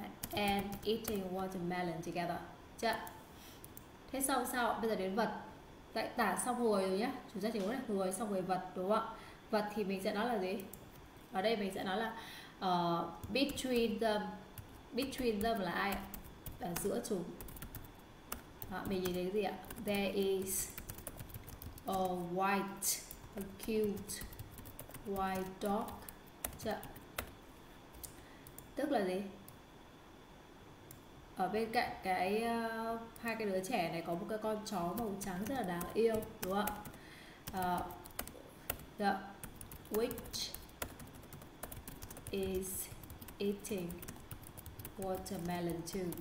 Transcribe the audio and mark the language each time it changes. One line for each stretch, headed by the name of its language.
English: And eating watermelon together.
Vietnamese: Chưa? Thế xong sao? Bây giờ đến vật. Tại tả xong người rồi nhé. Chúng ta chỉ muốn là người xong rồi vật, đúng không? Vật thì mình sẽ nói là gì? Ở đây mình sẽ nói là
English: between them. Between them
Vietnamese: là ai? Ở giữa chúng. Đó, mình nhìn thấy cái gì ạ?
English: There is a white, a cute white dog.
Vietnamese: Chưa? Tức là gì? Ở bên cạnh cái hai cái đứa trẻ này có một cái con chó màu trắng rất là đáng yêu, đúng không?
English: Which is eating watermelon too.